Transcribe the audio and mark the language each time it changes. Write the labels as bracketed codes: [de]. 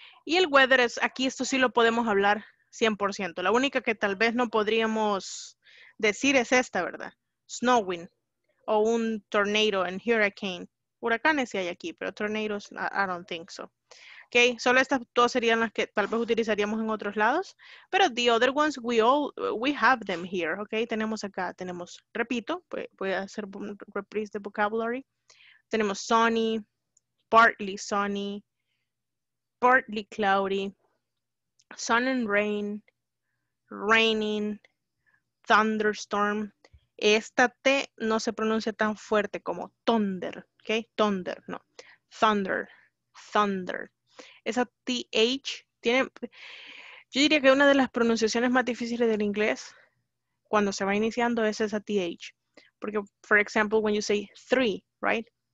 [es] Y el weather es, aquí esto sí lo podemos hablar 100%. La única que tal vez no podríamos decir es esta, ¿verdad? Snowing. O un tornado and hurricane. Huracanes sí hay aquí, pero tornados, [en] I don't think so. [es] Okay, solo estas dos serían las que tal vez utilizaríamos en otros lados. [en] Pero the other ones, we have them here. [es] Okay, tenemos acá, tenemos, repito, voy a hacer un reprise de vocabulary. Tenemos sunny. [en] Partly sunny, partly cloudy, sun and rain, raining, thunderstorm. [es] Esta T no se pronuncia tan fuerte como thunder, ¿ok? [en] Thunder, no. Thunder, thunder. Esa TH, T [es] tiene, yo diría que una de las pronunciaciones más difíciles del inglés cuando se va iniciando es esa TH. [en] Porque, for example, when you say three, right?